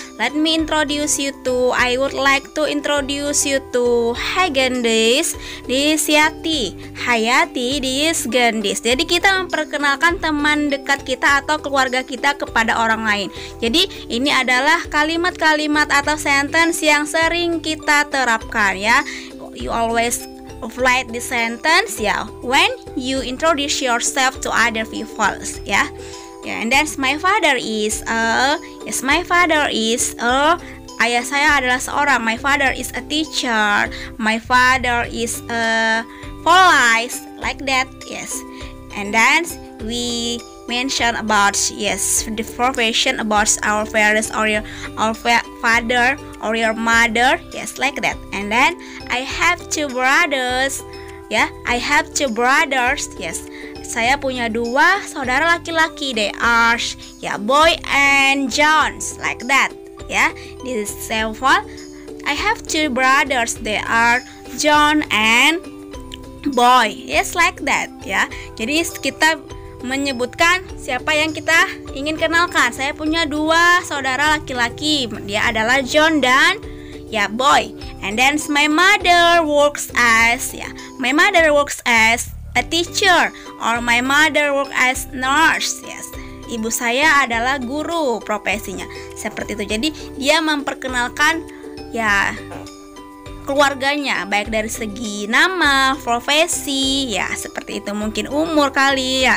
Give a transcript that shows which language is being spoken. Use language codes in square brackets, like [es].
[en] Let me introduce you to, I would like to introduce you to, hi Gendis, this Yati, Hayati, this Gendis. [id] Jadi kita memperkenalkan teman dekat kita atau keluarga kita kepada orang lain. Jadi ini adalah kalimat-kalimat atau sentence yang sering kita terapkan ya. [en] You always apply the sentence ya when you introduce yourself to other people ya. Yeah, and then my father is a, yes, my father is a, [id] ayah saya adalah seorang, [en] my father is a teacher, my father is a police, like that, yes. And then we mention about, yes, the profession about our parents or your father or your mother, yes, like that. And then I have two brothers, yeah, I have two brothers, yes. [id] Saya punya dua saudara laki-laki, [en] they are, ya, boy and Jones, like that, ya. This is simple. I have two brothers, they are John and boy, yes, like that, ya. [id] Jadi kita menyebutkan siapa yang kita ingin kenalkan. Saya punya dua saudara laki-laki, dia adalah John dan, ya, boy. [en] And then my mother works as, ya, my mother works as a teacher, or my mother work as nurse, yes. [id] Ibu saya adalah guru profesinya, seperti itu. Jadi dia memperkenalkan ya keluarganya, baik dari segi nama, profesi, ya seperti itu, mungkin umur kali ya.